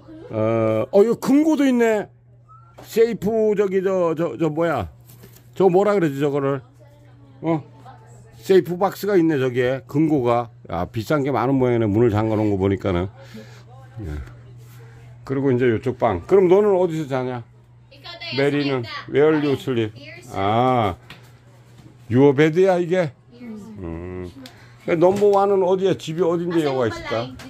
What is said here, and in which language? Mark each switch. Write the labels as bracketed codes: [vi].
[ko] 어, 어, 이거 금고도 있네. 세이프 저기 저 뭐야 저 뭐라 그러지 저거를. 어, 세이프 박스가 있네 저기에 금고가. 아, 비싼 게 많은 모양이네. 문을 잠가 놓은 거 보니까는. 예. 그리고 이제 이쪽 방. 그럼 너는 어디서 자냐? 메리는 [en] Where do you sleep? [ko] 아, [en] your bed [ko] 야 이게. 넘버 원은 어디야? 집이 어딘데 여기가 있을까?